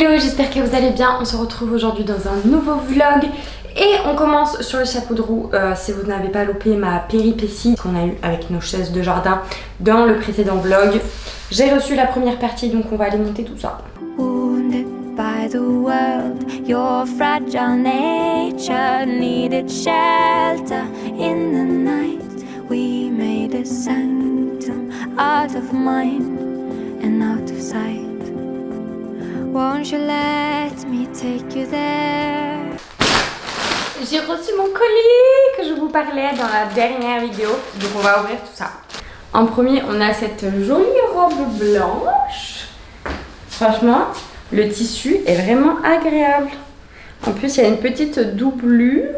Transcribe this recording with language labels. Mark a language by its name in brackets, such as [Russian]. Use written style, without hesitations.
[French] j'espère que vous allez bien. On se retrouve aujourd'hui dans un nouveau vlog. Et on commence sur le chapeau de roue, si vous n'avez pas loupé ma péripétie qu'on a eue avec nos chaises de jardin dans le précédent vlog. J'ai reçu la première partie, donc on va aller monter tout ça. [English] Wounded by the world, your fragile nature needed shelter. In the night, we made a sanctum out of mind and out of sight. Won't you let me take you there? [French] J'ai reçu mon colis que je vous parlais dans la dernière vidéo. Donc on va ouvrir tout ça. En premier, on a cette jolie robe blanche. Franchement, le tissu est vraiment agréable. En plus, il y a une petite doublure.